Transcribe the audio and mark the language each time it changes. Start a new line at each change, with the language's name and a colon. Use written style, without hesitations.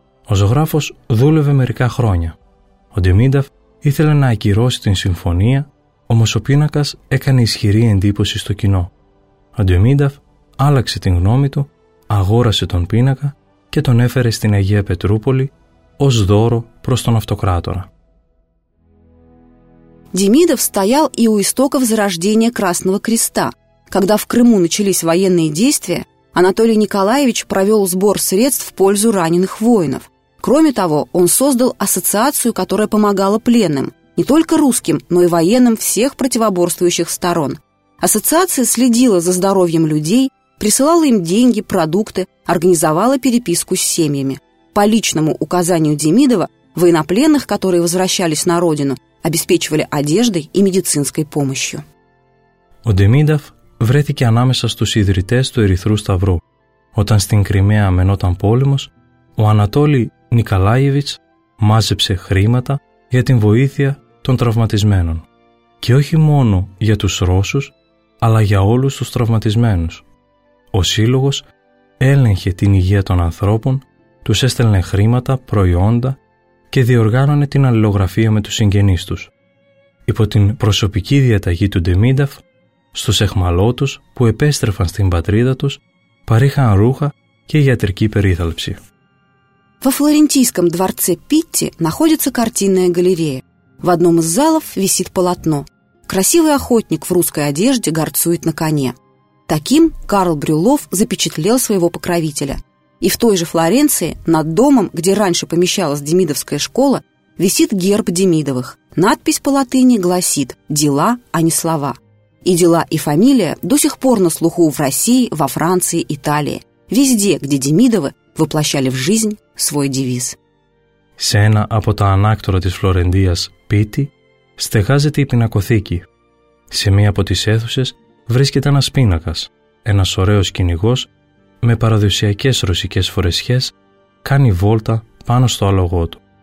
Greek: Ο ζωγράφος δούλευε μερικά χρόνια. Ο Ντεμίνταφ ήθελε να ακυρώσει την συμφωνία, όμως ο πίνακας έκανε ισχυρή εντύπωση στο κοινό. Ο Ντεμίνταφ άλλαξε την γνώμη του, αγόρασε τον πίνακα και τον έφερε στην Αγία Πετρούπολη ως δώρο προς τον αυτοκράτορα.
Russian: Демидов стоял и у истоков зарождения Красного Креста. Когда в Крыму начались военные действия, Анатолий Николаевич провел сбор средств в пользу раненых воинов. Кроме того, он создал ассоциацию, которая помогала пленным, не только русским, но и военным всех противоборствующих сторон. Ассоциация следила за здоровьем людей, присылала им деньги, продукты, организовала переписку с семьями. По личному указанию Демидова, военнопленных, которые возвращались на родину, обеспечивали одеждой и медицинской помощью.
Greek: Ο Ντεμίνταφ βρέθηκε ανάμεσα στους ιδρυτές του Ερυθρού Σταυρού. Όταν στην Κρυμαία μενόταν πόλεμος, ο Ανατόλη Νικολάεβιτς μάζεψε χρήματα για την βοήθεια των τραυματισμένων. Και όχι μόνο για τους Ρώσους, αλλά για όλους τους τραυματισμένους. Ο σύλλογος έλεγχε την υγεία των ανθρώπων, τους έστελνε χρήματα, προϊόντα και διοργάνωνε την αλληλογραφία με τους συγγενείς τους. Υπό την προσωπική διαταγή του Ντεμίνταφ, στους εχμαλώτους που επέστρεφαν στην πατρίδα τους, παρήχαν ρούχα και ιατρική περίθαλψη.
Russian: Во флорентийском дворце Питти находится картинная галерея. В одном из залов висит полотно. Красивый охотник в русской одежде горцует на коне. Таким Карл Брюллов запечатлел своего покровителя. И в той же Флоренции, над домом, где раньше помещалась Демидовская школа, висит герб Демидовых. Надпись по латыни гласит «Дела, а не слова». И дела, и фамилия до сих пор на слуху в России, во Франции, Италии. Везде, где Демидовы воплощали в жизнь свой девиз.
Greek: Σε ένα από τα ανάκτορα της Φλωρεντίας, Πίτι, στεγάζεται η πινακοθήκη. Σε μία από τις αίθουσες βρίσκεται ένας πίνακας. Ένας ωραίος κυνηγός, με παραδοσιακές ρωσικές φορεσιές, κάνει βόλτα πάνω στο άλογό του.